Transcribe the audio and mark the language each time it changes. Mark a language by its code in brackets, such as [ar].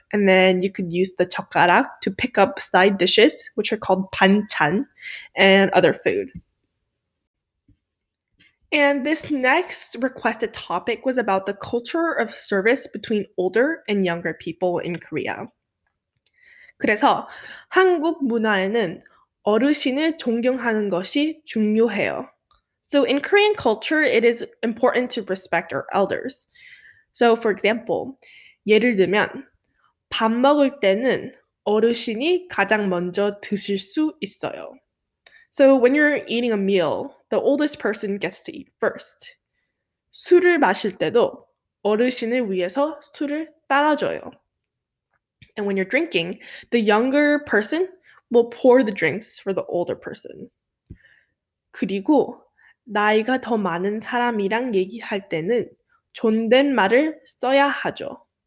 [en] And then you could use the chokarak to pick up side dishes, which are called banchan, and other food. And this next requested topic was about the culture of service between older and younger people in Korea. [ko] 그래서 한국 문화에는 어르신을 존경하는 것이 중요해요. [en] So in Korean culture, it is important to respect our elders. So for example, [ko] 예를 들면 밥 먹을 때는 어르신이 가장 먼저 드실 수 있어요. [en] So when you're eating a meal, the oldest person gets to eat first. [ko] 술을 마실 때도 어르신을 위해서 술을 따라줘요. [en] And when you're drinking, the younger person will pour the drinks for the older person. [ko] 그리고 나이가 더 많은 사람이랑 얘기할 때는 존댓말을 써야 하죠.